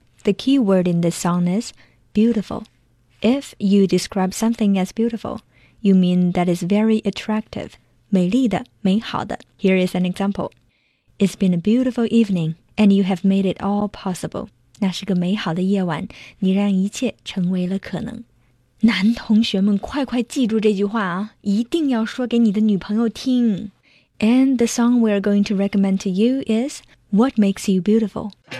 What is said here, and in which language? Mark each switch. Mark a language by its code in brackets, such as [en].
[en] The key word in this song is beautiful. If you describe something as beautiful, you mean that it's very attractive, [zh] 美丽的，美好的。 [en] Here is an example. It's been a beautiful evening, and you have made it all possible. [zh] 那是个美好的夜晚，你让一切成为了可能。男同学们快快记住这句话啊，一定要说给你的女朋友听。 [en] And the song we are going to recommend to you is What Makes You Beautiful.